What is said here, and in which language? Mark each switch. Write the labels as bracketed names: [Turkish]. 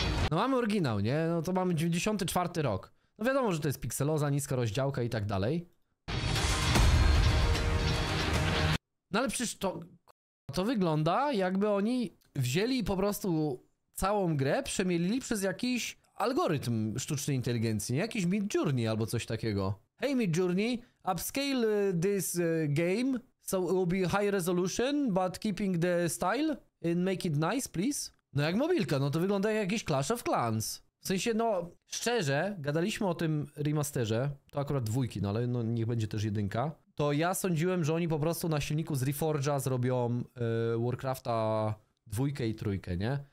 [Polish] No mamy oryginał, nie? No to mamy 94 rok. No wiadomo, że to jest pikseloza, niska rozdziałka i tak dalej. No ale przecież to... To wygląda jakby oni wzięli po prostu całą grę, przemielili przez jakiś algorytm sztucznej inteligencji, nie? Jakiś Midjourney albo coś takiego. [English] Hey Midjourney, upscale this game, so it will be high resolution, but keeping the style and make it nice, please. [Polish] No jak mobilka, no to wygląda jak jakiś Clash of Clans. W sensie, no szczerze, gadaliśmy o tym remasterze, to akurat dwójki, no ale no, niech będzie też jedynka. To ja sądziłem, że oni po prostu na silniku z Reforge'a zrobią Warcrafta dwójkę i trójkę, nie?